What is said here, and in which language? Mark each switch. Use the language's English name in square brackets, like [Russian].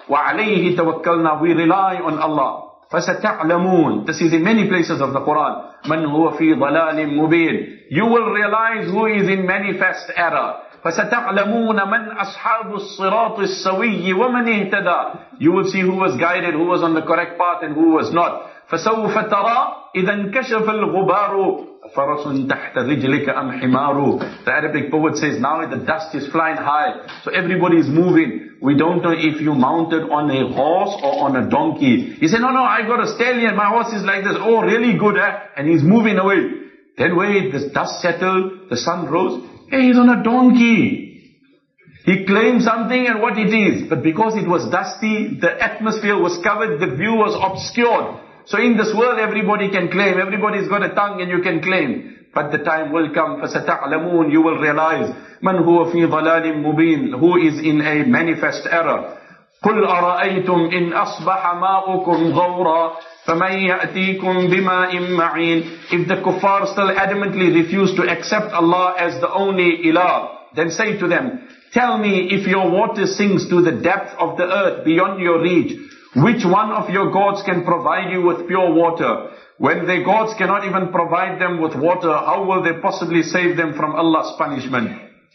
[Arabic] وَعَلَيْهِ تَوَكَّلْنَا. [English] We rely on Allah. [Arabic] فَسَتَعْلَمُونَ. [English] This is in many places of the Quran. [Arabic] مَنْ هُوَ فِي ضَلَالٍ مُبِينٍ. [English] You will realize who is in manifest error. [Arabic] فَسَتَعْلَمُونَ مَنْ أَصْحَابُ الصِّرَاطِ السَّوِيِّ وَمَنْ اِهْتَدَى. [English] You will see who was guided, who was on the correct path and who was not. [Arabic] فسوف ترى إذا انكشف الغبار فرس تحت رجلك أم حمار. [English] The Arabic poet says, now the dust is flying high, so everybody is moving. We don't know if you mounted on a horse or on a donkey. He said, no, I got a stallion, my horse is like this. Oh, really good, eh? And he's moving away. Then wait, the dust settled, the sun rose. Hey, he's on a donkey. He claimed something and what it is. But because it was dusty, the atmosphere was covered, the view was obscured. So in this world, everybody can claim. Everybody's got a tongue and you can claim. But the time will come, [Arabic] فستعلمون, [English] you will realize, [Arabic] من هو في ضلال مبين, [English] who is in a manifest error. [Arabic] قل أرأيتم إن أصبح ماؤكم غورا فمن يأتيكم بماء معين. [English] If the kuffar still adamantly refuse to accept Allah as the only ilah, then say to them, tell me if your water sinks to the depth of the earth beyond your reach, which one of your gods can provide you with pure water? When their gods cannot even provide them with water, how will they possibly save them from Allah's punishment?